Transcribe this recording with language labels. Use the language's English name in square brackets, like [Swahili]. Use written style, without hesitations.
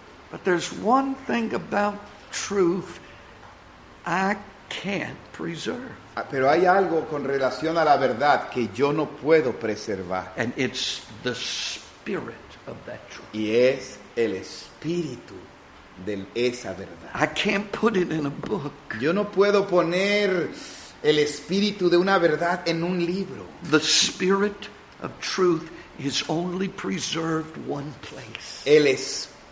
[English] But there's one thing about truth I can't preserve. [Spanish] Pero hay algo con relación a la verdad que yo no puedo preservar. [English] And it's the spirit of that truth. [Spanish] Y es el espíritu de esa verdad. [English] I can't put it in a book. [Spanish] Yo no puedo poner el espíritu de una verdad en un libro. [English] The spirit of truth is only preserved one place.